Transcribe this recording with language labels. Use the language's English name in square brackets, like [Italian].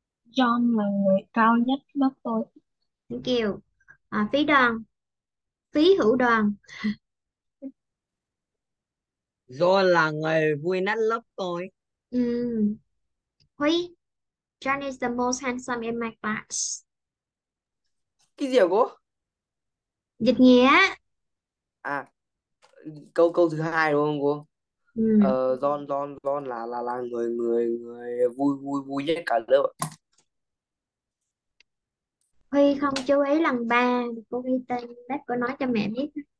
[Vietnamese] John là người cao nhất lớp tôi. [English] Thank you. [Vietnamese] À, phí đoàn. Phí hữu đoàn. John là người vui nhất lớp tôi. Huy. [English] John is the most handsome in my class. [Vietnamese] Cái gì hả cô? Dịch nghĩa. À, câu câu thứ hai đúng không cô? John là người người người vui vui vui nhất cả lớp ạ. Huy không chú ý lần ba. Cô ghi tên bác, cô nói cho mẹ biết.